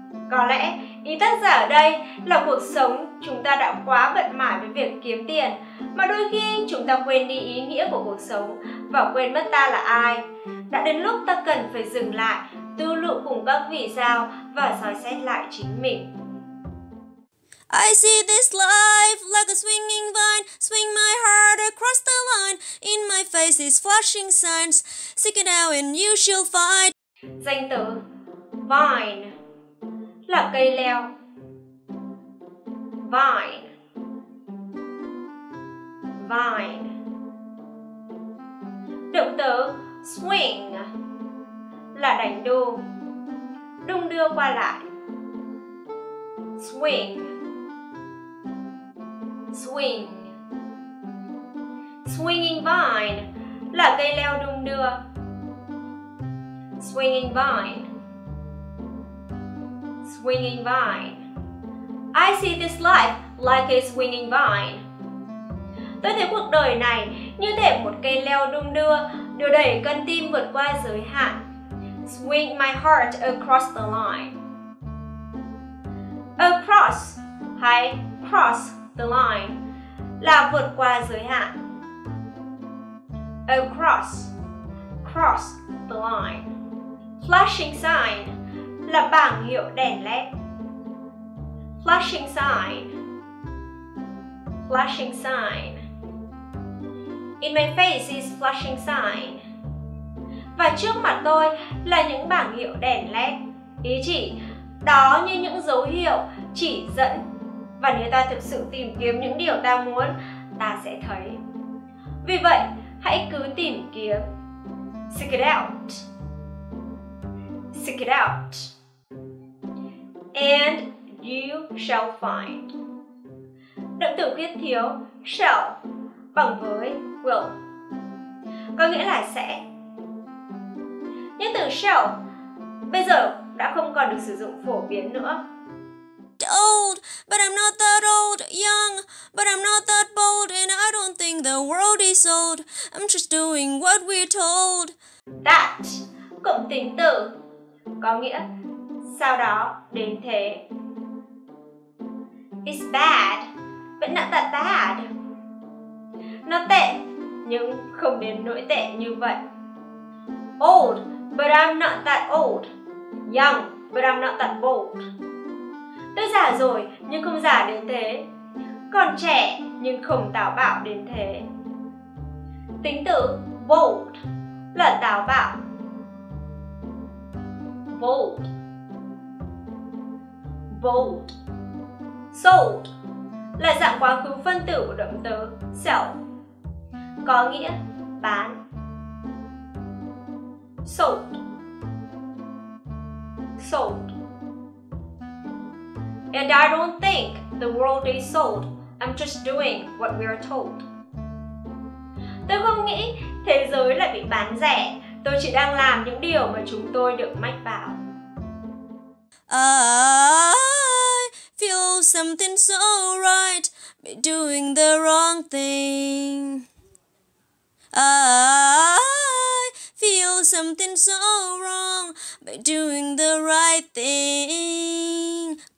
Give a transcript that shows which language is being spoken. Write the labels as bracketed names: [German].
[Vietnamese] Có lẽ ý tác giả ở đây là cuộc sống chúng ta đã quá bận mãi với việc kiếm tiền, mà đôi khi chúng ta quên đi ý nghĩa của cuộc sống và quên mất ta là ai. Đã đến lúc ta cần phải dừng lại, tư lự cùng các vì sao và soi xét lại chính mình. [English] I see this life like a swinging vine, swing my heart across the line, in my face is flashing signs, seek it out and you shall find. [Vietnamese] Danh từ vine là cây leo. [English] Vine. Vine. [Vietnamese] Động từ swing là đánh đu, đung đưa qua lại. [English] Swing. Swing. [Vietnamese] Swinging vine là cây leo đung đưa. [English] Swinging vine. Swinging vine. I see this life like a swinging vine. [Vietnamese] Tôi thấy cuộc đời này như thể một cây leo đung đưa, đưa đẩy con tim vượt qua giới hạn. [English] Swing my heart across the line. [Vietnamese] Across hay cross the line là vượt qua giới hạn. Across, [English] cross the line. [Vietnamese] Flashing sign là bảng hiệu đèn led. [English] Flashing sign. Flashing sign. In my face is flashing sign. [Vietnamese] Và trước mặt tôi là những bảng hiệu đèn led. Ý chỉ đó như những dấu hiệu chỉ dẫn. Và nếu ta thực sự tìm kiếm những điều ta muốn, ta sẽ thấy. Vì vậy, hãy cứ tìm kiếm. [English] Seek it out. Seek it out. And you shall find. [Vietnamese] Động từ khuyết thiếu shall bằng với will, có nghĩa là sẽ. Nhưng từ shall bây giờ đã không còn được sử dụng phổ biến nữa. [English] Old, but I'm not that old. Young, but I'm not that bold. And I don't think the world is old. I'm just doing what we're told. [Vietnamese] That, cụm tính từ, có nghĩa sau đó, đến thế. [English] It's bad, but not that bad. [Vietnamese] Nó tệ, nhưng không đến nỗi tệ như vậy. [English] Old, but I'm not that old. Young, but I'm not that bold. [Vietnamese] Tôi già rồi, nhưng không già đến thế. Còn trẻ, nhưng không táo bạo đến thế. Tính từ bold là táo bạo. [English] Bold. Bold. [Vietnamese] Sold là dạng quá khứ phân tử của động từ sell, có nghĩa bán. [English] Sold. Sold. And I don't think the world is sold. I'm just doing what we are told. [Vietnamese] Tôi không nghĩ thế giới lại bị bán rẻ. Tôi chỉ đang làm những điều mà chúng tôi được mách bảo. [English] I feel something so right, but doing the wrong thing. I feel something so wrong, but doing the right thing.